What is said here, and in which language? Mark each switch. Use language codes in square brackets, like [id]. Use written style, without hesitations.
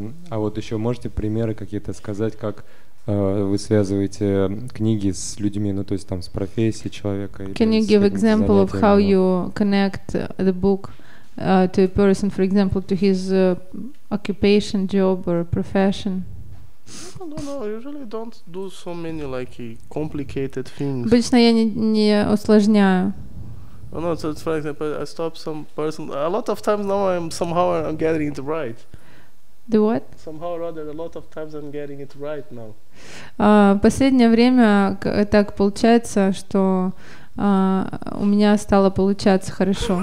[ru] А вот еще можете примеры какие-то сказать, как вы связываете книги с людьми, ну то есть там с профессией человека? [en] Can you give example of how you connect the book to a person, for example, to his occupation, job or profession? I don't know, usually don't do so many like complicated things. [ru] Обычно я не усложняю. [en] Oh, no, so it's for example, I stop some person. A lot of times now I'm somehow getting it right. Do what? Somehow or other, a lot of times I'm getting it right now. [ru] Последнее время так получается, что у меня стало получаться хорошо.